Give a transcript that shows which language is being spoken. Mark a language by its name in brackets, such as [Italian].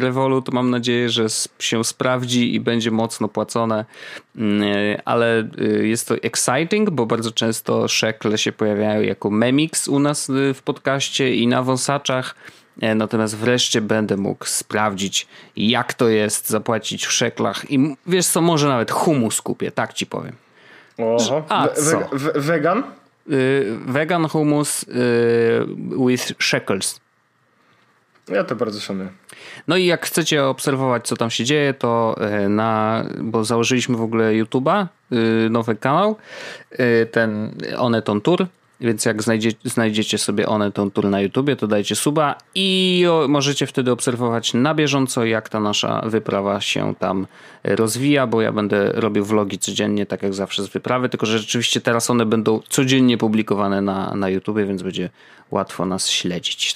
[Polish] Revolut, mam nadzieję, że się sprawdzi i będzie mocno płacone, ale jest to exciting, bo bardzo często szekle się pojawiają jako memix u nas w podcaście i na wąsaczach, natomiast wreszcie będę mógł sprawdzić, jak to jest zapłacić w szeklach i wiesz co, może nawet humus kupię, tak ci powiem. Oho. A co? Wegan? [English] Vegan hummus with shekels. [Polish] Ja to bardzo szanuję. No i jak chcecie obserwować, co tam się dzieje, to na, bo założyliśmy w ogóle YouTube'a, nowy kanał, ten Onet on Tour, więc jak znajdziecie sobie Onet on Tour na YouTubie, to dajcie suba i możecie wtedy obserwować na bieżąco, jak ta nasza wyprawa się tam rozwija, bo ja będę robił vlogi codziennie, tak jak zawsze z wyprawy, tylko że rzeczywiście teraz one będą codziennie publikowane na YouTubie, więc będzie łatwo nas śledzić.